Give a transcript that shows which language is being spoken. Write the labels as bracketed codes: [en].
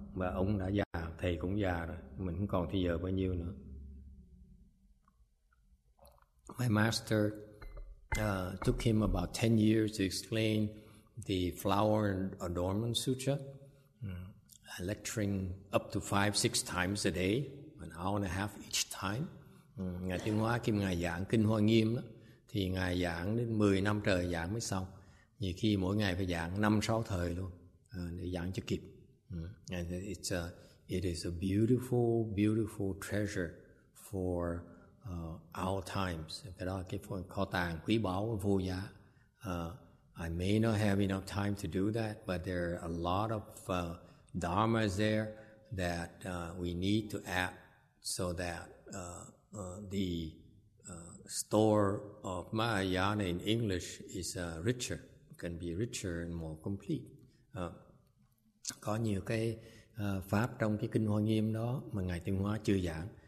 [vi] Và ông đã già, thầy cũng già rồi, mình không còn thời giờ bao nhiêu nữa. [en] My master took him about 10 years to explain the Flower Adornment Sutra, lecturing up to 5-6 times a day, an hour and a half each time. [vi] Ngài Tiến Hóa khi Ngài giảng Kinh Hoa Nghiêm đó, thì Ngài giảng đến 10 năm trời giảng mới xong. Nhiều khi mỗi ngày phải giảng 5-6 thời luôn để giảng cho kịp. [en] And it is a beautiful, beautiful treasure for our times. [vi] Cái đó là cái kho tàng quý báu vô giá. [en] I may not have enough time to do that, but there are a lot of dharmas there that we need to add so that the store of Mahayana in English is richer, can be richer and more complete. [vi] Có nhiều cái pháp trong cái Kinh Hoa Nghiêm đó mà Ngài Tiến Hóa chưa giảng,